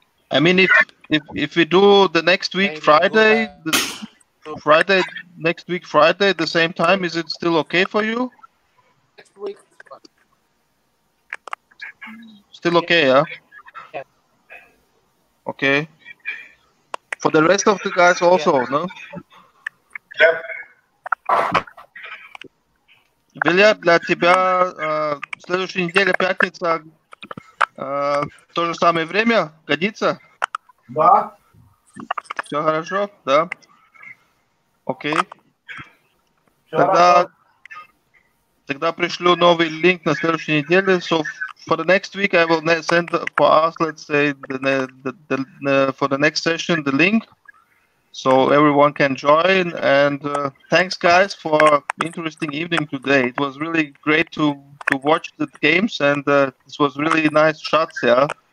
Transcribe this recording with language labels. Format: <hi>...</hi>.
<en>I mean, if we do the next week Friday, Friday the same time, is it still okay for you? Next week. Still okay, yeah. Okay. For the rest of the guys also, yeah. No. Yeah.</en> <ru>Илья, для тебя следующей неделе пятница то же самое время годится? Да. Все хорошо, да? Окей. Все тогда хорошо. Тогда пришлю новый линк на следующей неделе.</ru> <en>So for the next week I will send for us, let's say the for the next session the link. So everyone can join, and thanks guys for interesting evening today. It was really great to watch the games, and this was really nice shots, yeah.</en>